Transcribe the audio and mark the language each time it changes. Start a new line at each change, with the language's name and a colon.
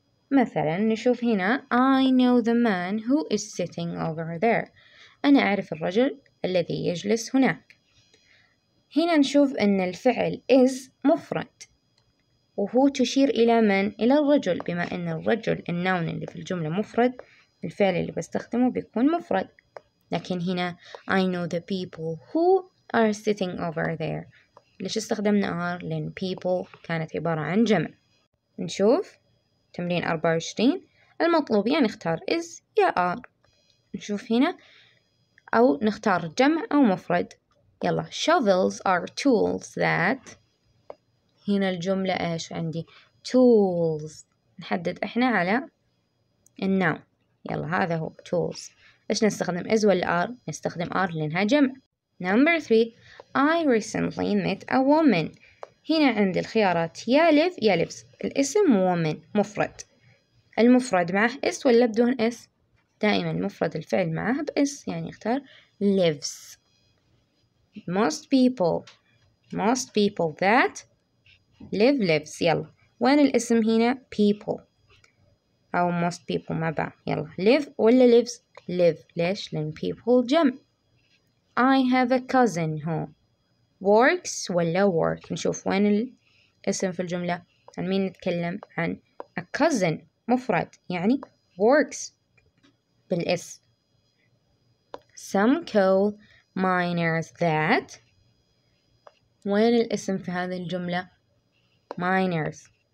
English: مثلا نشوف هنا I know the man who is sitting over there.
Arabic: أنا أعرف الرجل الذي يجلس هناك. هنا نشوف أن الفعل is مفرد وهو تشير إلى من؟ إلى الرجل، بما أن الرجل النون اللي في الجملة مفرد، الفعل اللي بستخدمه بيكون مفرد. لكن هنا
English: I know the people who are sitting over there.
Arabic: ليش استخدمنا are؟ لأن people كانت عبارة عن جمع. نشوف تمرين 24 المطلوب يعني نختار is يا are. نشوف هنا أو نختار جمع أو مفرد.
English: يلا shovels are tools that.
Arabic: هنا الجملة إيش عندي؟ tools. نحدد إحنا على النوم. يلا هذا هو tools. إيش نستخدم is ولا are؟ نستخدم are لأنها جمع.
English: Number three, I recently met a woman.
Arabic: هنا عندي الخيارات يا live يا lives. الاسم woman مفرد. المفرد معه is ولا بدون is؟ دائما مفرد الفعل معه بإس، يعني اختار lives.
English: Most people, most people that live lives.
Arabic: يلا وين الاسم هنا؟ people أو
English: most people
Arabic: مع بعض. يلا live ولا lives؟ live. ليش؟ لأن people جمع.
English: I have a cousin who works ولا work.
Arabic: نشوف وين الاسم في الجملة؟ عن مين نتكلم؟ عن
English: a cousin
Arabic: مفرد يعني works بالإس.
English: Some coal miners that.
Arabic: وين الاسم في هذه الجملة؟ miners.